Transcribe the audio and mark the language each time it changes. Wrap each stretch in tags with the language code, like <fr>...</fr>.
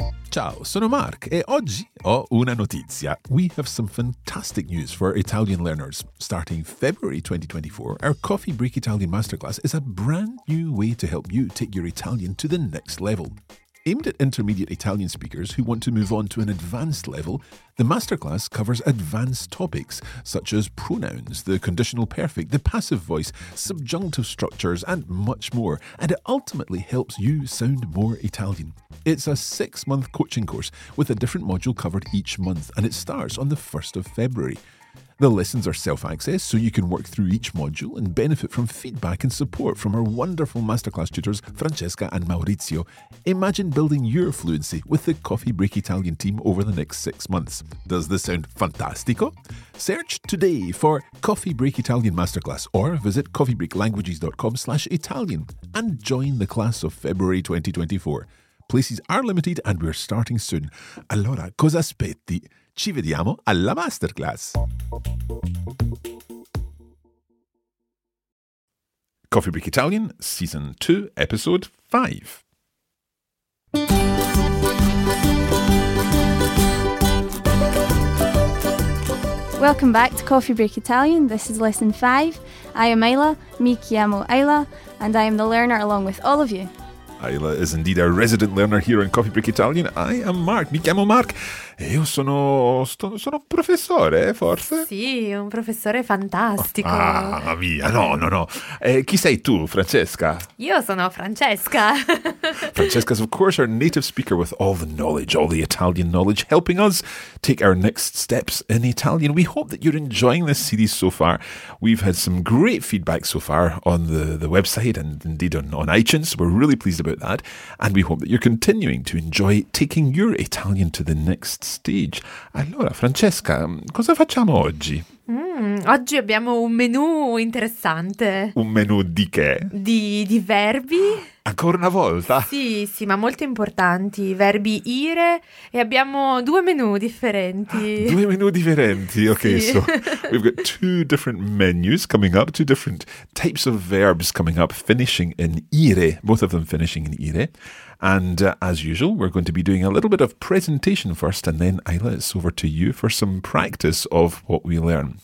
<it>Ciao, sono Mark e oggi ho una notizia.</it> <en>We have some fantastic news for Italian learners. Starting February 2024, our Coffee Break Italian Masterclass is a brand new way to help you take your Italian to the next level. Aimed at intermediate Italian speakers who want to move on to an advanced level, the masterclass covers advanced topics such as pronouns, the conditional perfect, the passive voice, subjunctive structures, and much more, and it ultimately helps you sound more Italian. It's a six-month coaching course with a different module covered each month, and it starts on the 1st of February. The lessons are self-access, so you can work through each module and benefit from feedback and support from our wonderful masterclass tutors, Francesca and Maurizio. Imagine building your fluency with the Coffee Break Italian team over the next 6 months. Does this sound fantastico? Search today for Coffee Break Italian Masterclass or visit coffeebreaklanguages.com/Italian and join the class of February 2024. Places are limited and we're starting soon.</en> <it>Allora, cosa aspetti? Ci vediamo alla masterclass.</it> <en>Coffee Break Italian, Season 2, Episode 5. Welcome back to Coffee Break Italian. This is Lesson 5. I am Ayla,</en> <it>mi chiamo Ayla,</it> <en>and I am the learner along with all of you. Ayla is indeed a resident learner here in Coffee Break Italian. I am Mark,</en> <it>mi chiamo Mark. E io sono un professore, forse? Sì, un professore fantastico. Oh, mamma mia, no. Chi sei tu, Francesca? Io sono Francesca.</it> <en>Francesca is, of course, our native speaker with all the knowledge, all the Italian knowledge, helping us take our next steps in Italian. We hope that you're enjoying this series so far. We've had some great feedback so far on the website and indeed on iTunes. We're really pleased about that. And we hope that you're continuing to enjoy taking your Italian to the next stage.</en> <it>Allora, Francesca, cosa facciamo oggi? Oggi abbiamo un menù interessante. Un menù di che? Di verbi. Ancora una volta? Sì, ma molto importanti. Verbi ire e abbiamo due menù differenti. Due menù differenti, ok. Sì.</it> <en>So we've got two different menus coming up, two different types of verbs coming up, finishing in ire, both of them finishing in ire. And as usual, we're going to be doing a little bit of presentation first, and then Ayla, it's over to you for some practice of what we learn.</en>